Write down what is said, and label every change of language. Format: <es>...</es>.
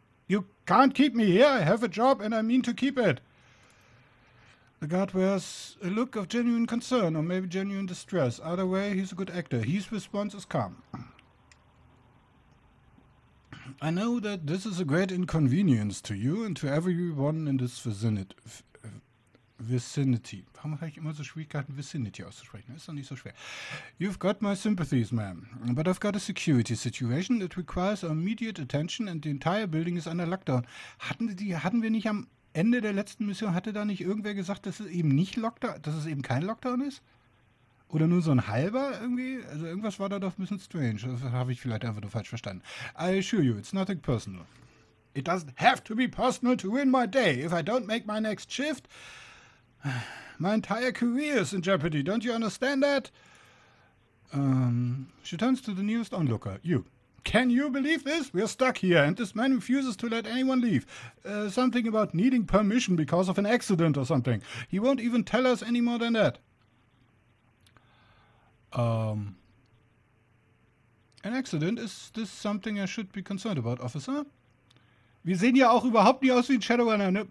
<en>You can't keep me here. I have a job and I mean to keep it. The guard wears a look of genuine concern or maybe genuine distress. Either way, he's a good actor. His response is calm. I know that this is a great inconvenience to you and to everyone in this vicinity.</en> <de>Warum habe ich immer so Schwierigkeiten, Vicinity auszusprechen? Ist doch nicht so schwer.</de> <en>You've got my sympathies, ma'am. But I've got a security situation that requires immediate attention and the entire building is under lockdown.</en> <de>Hatten wir nicht am Ende der letzten Mission, hatte da nicht irgendwer gesagt, dass es eben nicht Lockdown, dass es eben kein Lockdown ist? Oder nur so ein halber irgendwie? Also irgendwas war da doch ein bisschen strange. Das habe ich vielleicht einfach nur falsch verstanden.</de> <en>I assure you, it's nothing personal. It doesn't have to be personal to ruin my day. If I don't make my next shift, my entire career is in jeopardy. Don't you understand that? She turns to the nearest onlooker. You. Can you believe this? We're stuck here, and this man refuses to let anyone leave. Something about needing permission because of an accident or something. He won't even tell us any more than that. An accident? Is this something I should be concerned about, officer?</en> <de>Wir sehen ja auch überhaupt nicht aus wie ein Shadowrunner, ne?</de>